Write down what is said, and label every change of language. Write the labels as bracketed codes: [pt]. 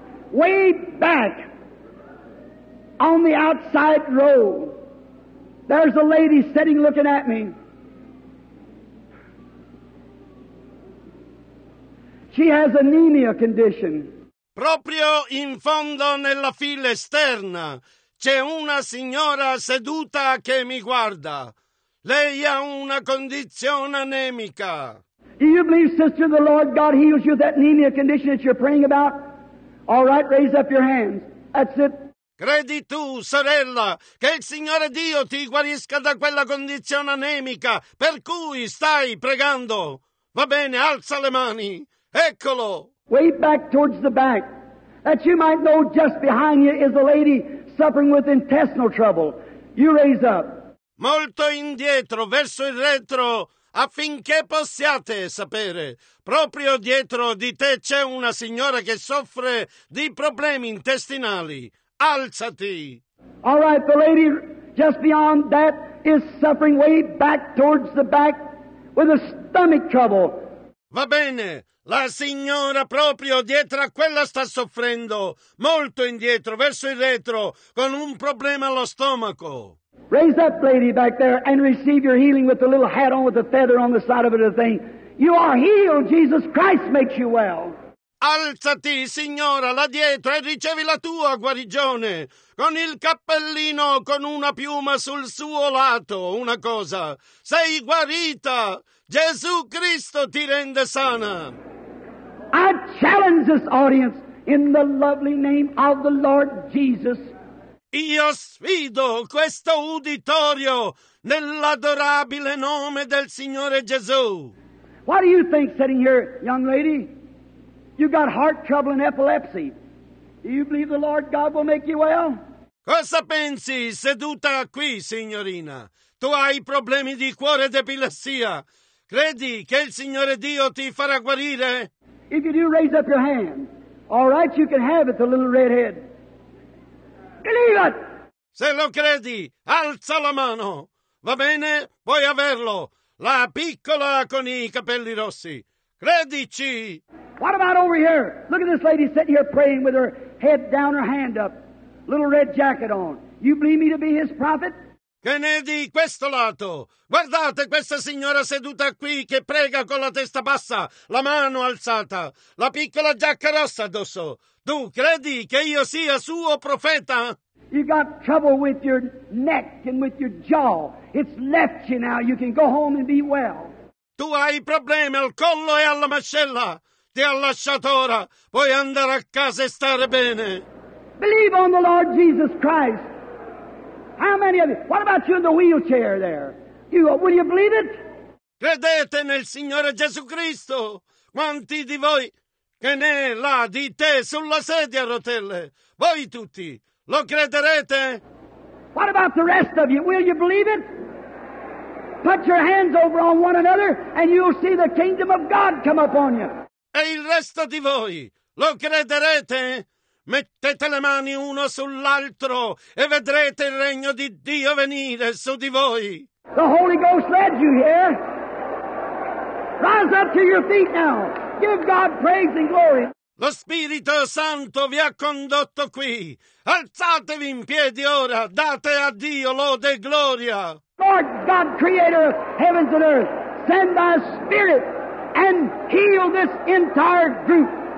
[en] Way back on the outside road. There's a lady sitting looking at me. She has anemia condition. [it] Proprio in fondo nella fila esterna c'è una signora seduta che mi guarda. Lei ha una condizione anemica. [en] Do you believe, sister, the Lord God heals you with that anemia condition that you're praying about? All right, raise up your hands. That's it. [it] Credi tu, sorella, che il Signore Dio ti guarisca da quella condizione anemica per cui stai pregando? Va bene, alza le mani. Eccolo. [en] Way back towards the back. That you might know just behind you is a lady suffering with intestinal trouble. You raise up. [it] Molto indietro, verso il retro, affinché possiate sapere. Proprio dietro di te c'è una signora che soffre di problemi intestinali. Alzati. [en] All right, the lady just beyond that is suffering way back towards the back with a stomach trouble. [it] Va bene, la signora proprio dietro a quella sta soffrendo, molto indietro, verso il retro, con un problema allo stomaco. [en] Raise up, lady back there, and receive your healing with the little hat on with the feather on the side of it, a thing. You are healed, Jesus Christ makes you well. [it] Alzati, signora, là dietro, e ricevi la tua guarigione, con il cappellino, con una piuma sul suo lato, una cosa. Sei guarita! Gesù Cristo ti rende sana! [en] I challenge this audience in the lovely name of the Lord Jesus. [it] Io sfido questo uditorio nell'adorabile nome del Signore Gesù. [en] What do you think sitting here, young lady? You got heart trouble and epilepsy. Do you believe the Lord God will make you well? [it] Cosa pensi seduta qui, signorina? Tu hai problemi di cuore ed epilessia. Credi che il Signore Dio ti farà guarire? [en] If you do, raise up your hand. All right, you can have it, the little redhead. Believe it! [it] Se lo credi, alza la mano. Va bene, puoi averlo. La piccola con i capelli rossi. Credici! [en] What about over here? Look at this lady sitting here praying with her head down, her hand up. Little red jacket on. You believe me to be his prophet? [it] Che ne è di questo lato? Guardate questa signora seduta qui che prega con la testa bassa, la mano alzata, la piccola giacca rossa addosso. Tu credi che io sia suo profeta? [en] You got trouble with your neck and with your jaw. It's left you now. You can go home and be well. [it] Tu hai problemi al collo e alla mascella. Ti ha lasciato ora. Puoi andare a casa e stare bene. [en] Believe on the Lord Jesus Christ. How many of you? What about you in the wheelchair there? You, will you believe it? [it] Credete nel Signore Gesù Cristo. Quanti di voi che ne è là di te sulla sedia a rotelle? Voi tutti, lo crederete? [en] What about the rest of you? Will you believe it? Put your hands over on one another and you'll see the kingdom of God come upon you. [it] E il resto di voi, lo crederete? Mettete le mani uno sull'altro e vedrete il regno di Dio venire su di voi. [en] The Holy Ghost led you here. Rise up to your feet now. Give God praise and glory. [it] Lo Spirito Santo vi ha condotto qui. Alzatevi in piedi ora. Date a Dio lode e gloria. [en] Lord God, creator of heavens and earth, send thy spirit and heal this entire group.